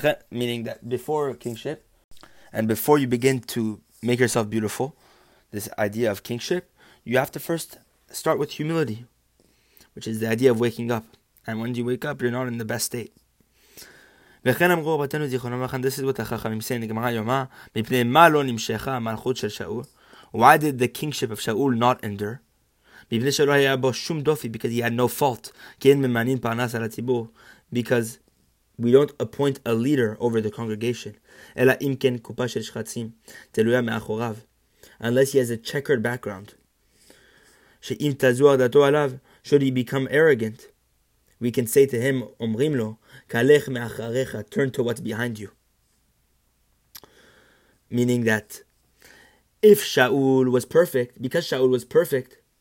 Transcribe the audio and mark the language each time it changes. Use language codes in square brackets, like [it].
[en] Meaning that before kingship and before you begin to make yourself beautiful, this idea of kingship, you have to first start with humility, which is the idea of waking up. And when you wake up, you're not in the best state. And this is what the Chachamim say in the Gemara Yoma. [he] מפני מה לא נמשכה המלכות של שאול? [en] Why did the kingship of Shaul not endure? [he] מפני שלא היה בו שום דופי, [en] because he had no fault. [he] כי אין ממנין פרנס על הציבור, [en] because we don't appoint a leader over the congregation. [he] אלא אם כן קופה של שחצים תלויה מאחוריו. [en] Unless he has a checkered background. [he] שאם תזוהר דתו עליו, [en] should he become arrogant, we can say to him, [he] אומרים לו, קלך מאחריך, [en] turn to what's behind you. Meaning that, if Shaul was perfect, because Shaul was perfect,